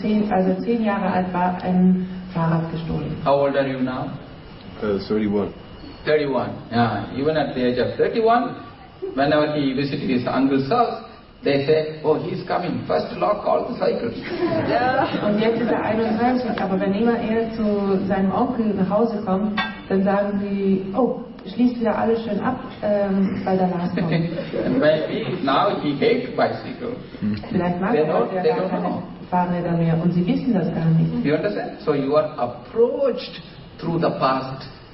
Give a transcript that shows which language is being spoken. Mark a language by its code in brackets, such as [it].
[de] Also 10 Jahre alt war ein Fahrrad gestohlen. [en] How old are you now? 31. Yeah, even at the age of 31, whenever he visited his uncle's house, they say, oh, he's coming. First lock all the cycles. [de] Und jetzt ist er 31, aber wenn immer er zu seinem Onkel nach Hause kommt, dann sagen sie, oh, schließt wieder alles schön ab, weil der Lars kommt. [en] Maybe now he hates bicycles. [de] Vielleicht mag er keine Fahrräder mehr und sie wissen das gar nicht. [en] You understand? So you are approached through the past.